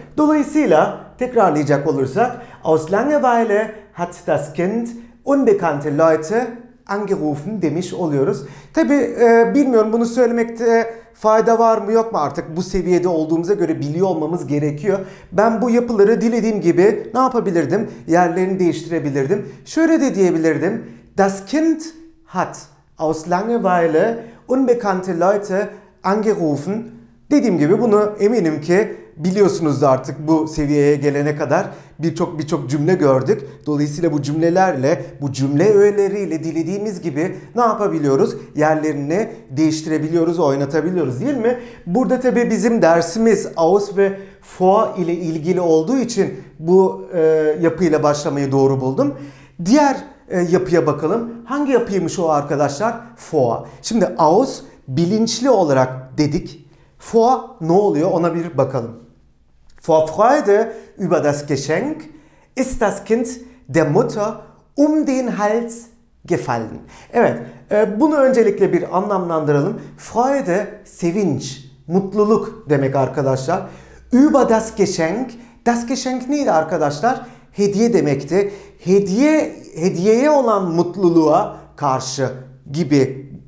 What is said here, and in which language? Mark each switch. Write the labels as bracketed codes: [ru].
[tr] Dolayısıyla tekrarlayacak olursak [de] aus Langeweile hat das Kind unbekannte Leute angerufen [tr] demiş oluyoruz. Tabii bilmiyorum bunu söylemekte fayda var mı yok mu, artık bu seviyede olduğumuza göre biliyor olmamız gerekiyor. Ben bu yapıları dilediğim gibi ne yapabilirdim? Yerlerini değiştirebilirdim. Şöyle de diyebilirdim. [de] Das Kind hat aus Langeweile unbekannte Leute angerufen. [tr] Dediğim gibi bunu eminim ki biliyorsunuz da artık bu seviyeye gelene kadar birçok cümle gördük. Dolayısıyla bu cümlelerle, bu cümle öğeleriyle dilediğimiz gibi ne yapabiliyoruz? Yerlerini değiştirebiliyoruz, oynatabiliyoruz değil mi? Burada tabii bizim dersimiz aus ve vor ile ilgili olduğu için bu yapıyla başlamayı doğru buldum. Diğer yapıya bakalım. Hangi yapıymış o arkadaşlar? Vor. Şimdi aus bilinçli olarak dedik. Vor ne oluyor ona bir bakalım. [de] Vor Freude über das Geschenk ist das Kind der Mutter um den Hals gefallen. [tr] Evet, bunu öncelikle bir anlamlandıralım. [de] Freude [tr] sevinç, mutluluk demek arkadaşlar. [de] Über das Geschenk, das Geschenk [tr] neydi arkadaşlar? Hediye demekti. Hediyeye olan mutluluğa karşı gibi.